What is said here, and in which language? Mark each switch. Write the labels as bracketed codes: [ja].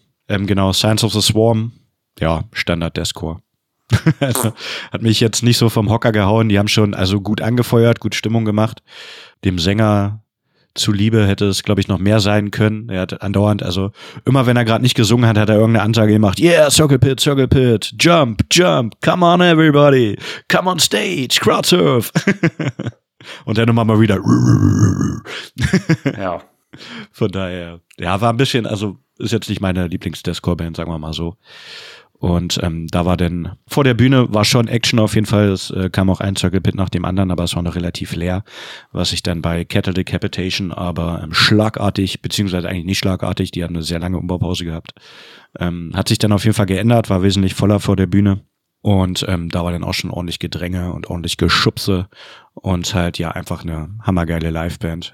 [de] Genau, Signs of the Swarm. Ja, Standard Deathcore. Also, hat mich jetzt nicht so vom Hocker gehauen. Die haben schon also gut angefeuert, gut Stimmung gemacht. Dem Sänger zuliebe hätte es, glaube ich, noch mehr sein können. Er hat andauernd, also immer wenn er gerade nicht gesungen hat, hat er irgendeine Ansage gemacht. [en] Yeah, Circle Pit, jump, jump, come on everybody, come on stage, crowd surf. [de] Und dann nochmal mal wieder. Ja. Von daher, ja, war ein bisschen, also ist jetzt nicht meine Lieblings-Deathcore-Band, sagen wir mal so. Und da war dann, vor der Bühne war schon Action auf jeden Fall, es kam auch ein Circle Pit nach dem anderen, aber es war noch relativ leer, was sich dann bei Cattle Decapitation aber schlagartig, beziehungsweise eigentlich nicht schlagartig, die haben eine sehr lange Umbaupause gehabt, hat sich dann auf jeden Fall geändert, war wesentlich voller vor der Bühne und da war dann auch schon ordentlich Gedränge und ordentlich Geschubse und halt ja einfach eine hammergeile Liveband.